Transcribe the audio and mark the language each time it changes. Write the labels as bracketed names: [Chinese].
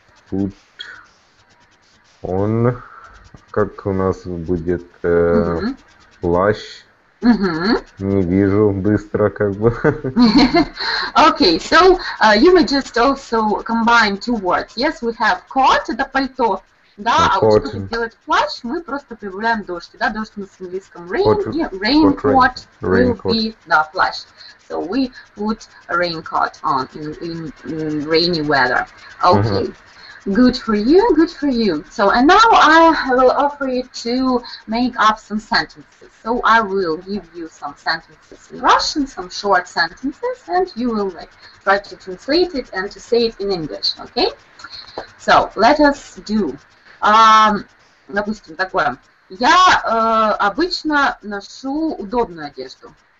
[Russian] Put он, как у нас будет, плащ, не вижу быстро, как бы. [English] Okay, so you may just also combine two words. Yes, we have coat, [Russian] это пальто, да, а вот чтобы сделать плащ, мы просто прибавляем дождь, да, дождь на английском [English] raincoat will be, [Russian] да, плащ. [English] So we put a raincoat on in rainy weather. Okay. Good for you, good for you. So, and now I will offer you to make up some sentences. So I will give you some sentences in Russian, some short sentences, and you will like try to translate it and to say it in English, okay? So, let us do. [Russian] Допустим, такое. Я обычно ношу удобную одежду.